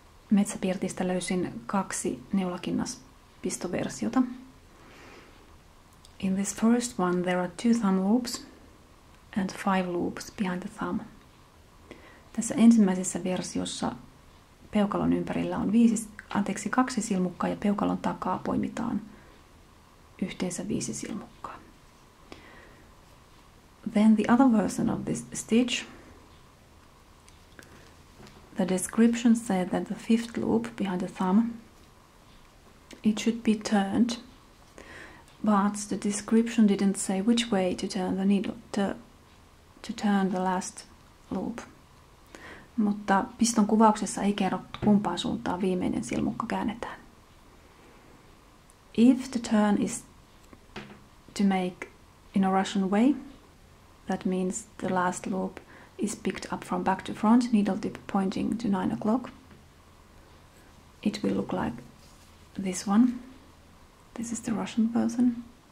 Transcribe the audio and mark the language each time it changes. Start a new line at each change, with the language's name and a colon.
Finnish: Metsäpirtistä löysin kaksi neulakinnaspistoversiota.
English: In this first one there are two thumb loops and five loops behind the thumb.
Finnish: Tässä ensimmäisessä versiossa peukalon ympärillä on kaksi silmukkaa ja peukalon takaa poimitaan yhteensä viisi silmukkaa.
English: Then the other version of this stitch. The description said that the fifth loop behind the thumb, it should be turned, but the description didn't say which way to turn the needle to turn the last loop.
Finnish: Mutta piston kuvauksessa ei kerrottu kumpaan suuntaan viimeinen silmukka käännetään.
English: If the turn is to make in a Russian way, that means the last loop is picked up from back to front, needle tip pointing to 9 o'clock. It will look like this one. This is the Russian version.